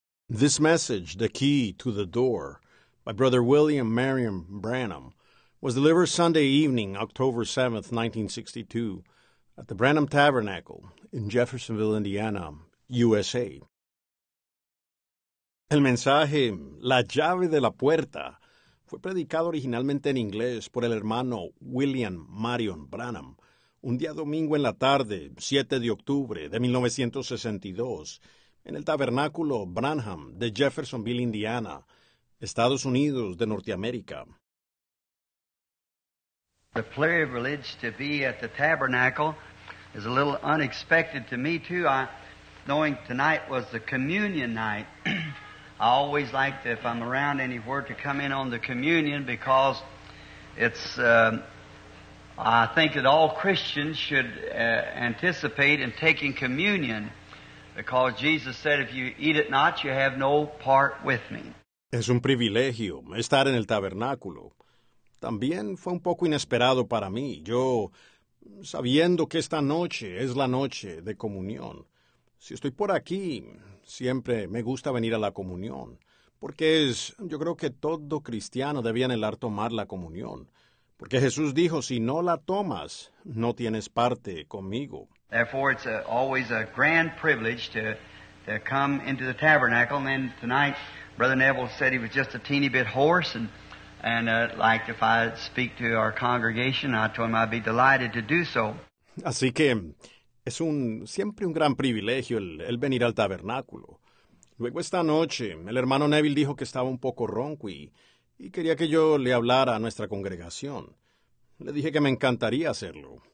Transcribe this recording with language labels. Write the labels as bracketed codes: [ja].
[en] This message, The Key to the Door, by Brother William Marion Branham, was delivered Sunday evening, October 7, 1962, at the Branham Tabernacle in Jeffersonville, Indiana, USA. [es] El mensaje, La Llave de la Puerta, fue predicado originalmente en inglés por el hermano William Marion Branham, un día domingo en la tarde, 7 de octubre de 1962, en el Tabernáculo Branham de Jeffersonville, Indiana, Estados Unidos de Norteamérica. [en] The privilege to be at the Tabernacle is a little unexpected to me too. Knowing tonight was the communion night, I always like to, if I'm around anywhere, to come in on the communion because it's, I think that all Christians should anticipate in taking communion. Because Jesus said, if you eat it not, you have no part with me. [es] Es un privilegio estar en el tabernáculo. También fue un poco inesperado para mí. Yo, sabiendo que esta noche es la noche de comunión, si estoy por aquí, siempre me gusta venir a la comunión. Porque es, yo creo que todo cristiano debía anhelar tomar la comunión. Porque Jesús dijo, si no la tomas, no tienes parte conmigo. [en] Therefore, it's always a grand privilege to come into the tabernacle. And then tonight, Brother Neville said he was just a teeny bit hoarse, and if I speak to our congregation, I told him I'd be delighted to do so. [es] Así que es siempre un gran privilegio el venir al tabernáculo. Luego esta noche, el hermano Neville dijo que estaba un poco ronco y quería que yo le hablara a nuestra congregación. Le dije que me encantaría hacerlo.